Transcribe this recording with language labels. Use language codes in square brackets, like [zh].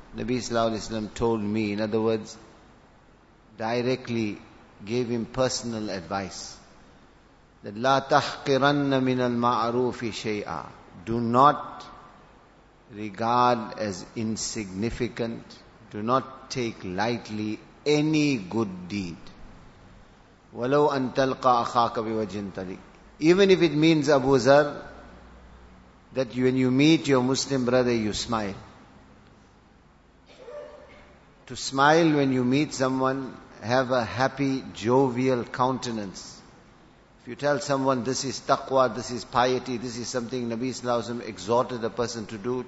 [en] Nabi sallallahu alayhi wa sallam told me, in other words, directly gave him personal advice, that [ar] لَا تَحْقِرَنَّ مِنَ الْمَعْرُوفِ شَيْئًا. [en] Do not regard as insignificant, do not take lightly any good deed. [ar] وَلَوْ أَن تَلْقَى أَخَاكَ بِوَجْهٍ طَلِيقٍ. [en] Even if it means, Abu Zar, that when you meet your Muslim brother, you smile. To smile when you meet someone, have a happy, jovial countenance. You tell someone this is taqwa, this is piety, this is something Nabi sallallahu alaihi wasallam exhorted a person to do.